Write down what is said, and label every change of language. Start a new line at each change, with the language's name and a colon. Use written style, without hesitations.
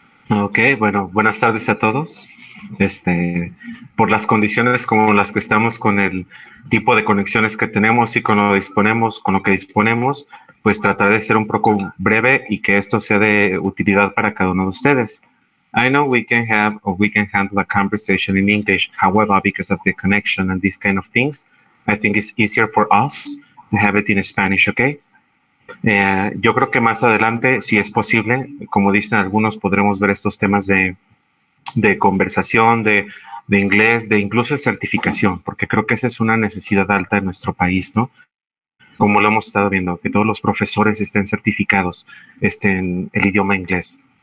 Spanish: Ok, bueno, buenas tardes a todos. Por las condiciones como las que estamos, con el tipo de conexiones que tenemos y con lo que disponemos, pues trataré de ser un poco breve y que esto sea de utilidad para cada uno de ustedes.
English: I know we can have or we can handle a conversation in English. However, because of the connection and these kind of things, I think it's easier for us to have it in Spanish, okay?
Spanish: Yo creo que más adelante, si es posible, como dicen algunos, podremos ver estos temas de conversación, de inglés, de incluso de certificación, porque creo que esa es una necesidad alta en nuestro país, ¿no? Como lo hemos estado viendo, que todos los profesores estén certificados en el idioma inglés.